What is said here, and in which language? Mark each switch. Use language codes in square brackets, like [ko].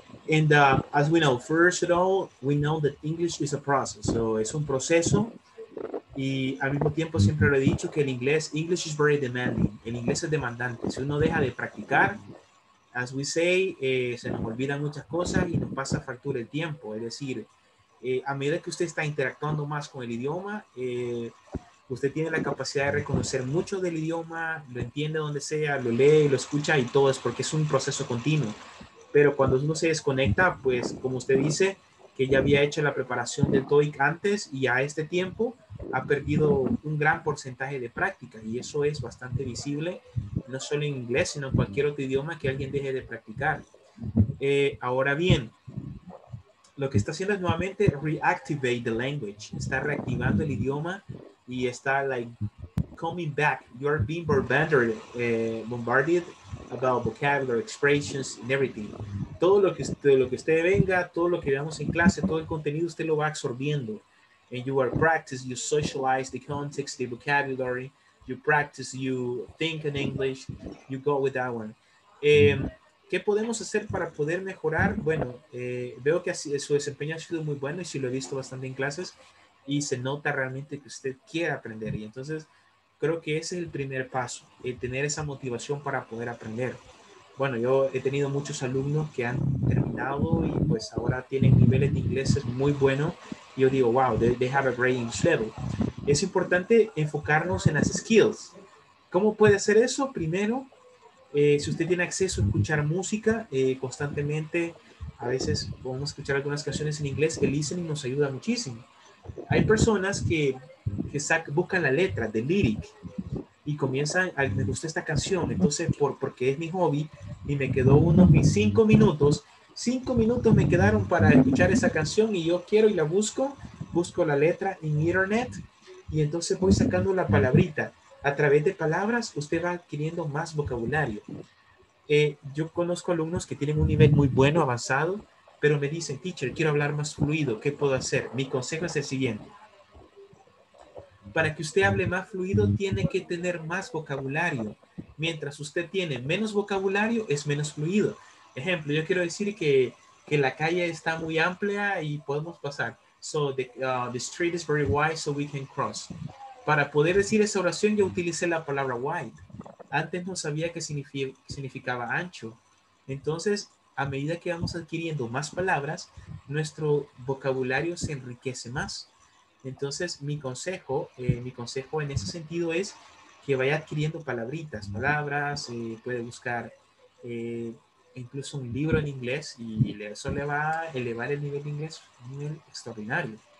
[en] And as we know, first of all, we know that English is a process. [es] So es un proceso. Y al mismo tiempo siempre lo he dicho que el inglés, [en] English is very demanding. [es] El inglés es demandante. Si uno deja de practicar, [en] as we say, [es] se nos olvidan muchas cosas y nos pasa factura el tiempo. Es decir, a medida que usted está interactuando más con el idioma, usted tiene la capacidad de reconocer mucho del idioma, lo entiende donde sea, lo lee, lo escucha y todo, es porque es un proceso continuo. Pero cuando uno se desconecta, pues como usted dice, que ya había hecho la preparación del TOEIC antes y a este tiempo ha perdido un gran porcentaje de práctica. Y eso es bastante visible, no solo en inglés, sino en cualquier otro idioma que alguien deje de practicar. Ahora bien, lo que está haciendo es nuevamente [en] reactivate the language. [es] Está reactivando el idioma y está [en] like coming back. You are being bombarded about vocabulary, expressions, and everything. [es] Todo lo que usted venga, todo lo que veamos en clase, todo el contenido, usted lo va absorbiendo. [en] And you are practice, you socialize the context, the vocabulary, you practice, you think in English, you go with that one. [es] ¿Qué podemos hacer para poder mejorar? Bueno, veo que su desempeño ha sido muy bueno y sí lo he visto bastante en clases y se nota realmente que usted quiere aprender. Y entonces, creo que ese es el primer paso, el tener esa motivación para poder aprender. Bueno, yo he tenido muchos alumnos que han terminado y pues ahora tienen niveles de inglés muy buenos. Yo digo, [en] wow, they have a great English level. [es] Es importante enfocarnos en las skills. ¿Cómo puede hacer eso? Primero, si usted tiene acceso a escuchar música constantemente, a veces podemos escuchar algunas canciones en inglés, el listening nos ayuda muchísimo. Hay personas que buscan la letra de lyric y comienzan, me gusta esta canción, entonces porque es mi hobby y me quedó unos mis 5 minutos, 5 minutos me quedaron para escuchar esa canción y yo quiero y la busco la letra en internet y entonces voy sacando la palabrita. A través de palabras usted va adquiriendo más vocabulario. yo conozco alumnos que tienen un nivel muy bueno, avanzado, pero me dicen, teacher, quiero hablar más fluido, ¿qué puedo hacer? Mi consejo es el siguiente. Para que usted hable más fluido, tiene que tener más vocabulario. Mientras usted tiene menos vocabulario, es menos fluido. Ejemplo, yo quiero decir que la calle está muy amplia y podemos pasar. [en] So the street is very wide, so we can cross. [es] Para poder decir esa oración, yo utilicé la palabra wide. Antes no sabía qué significaba ancho. Entonces, a medida que vamos adquiriendo más palabras, nuestro vocabulario se enriquece más. Entonces, mi consejo en ese sentido es que vaya adquiriendo palabras, puede buscar incluso un libro en inglés y eso le va a elevar el nivel de inglés a un nivel extraordinario.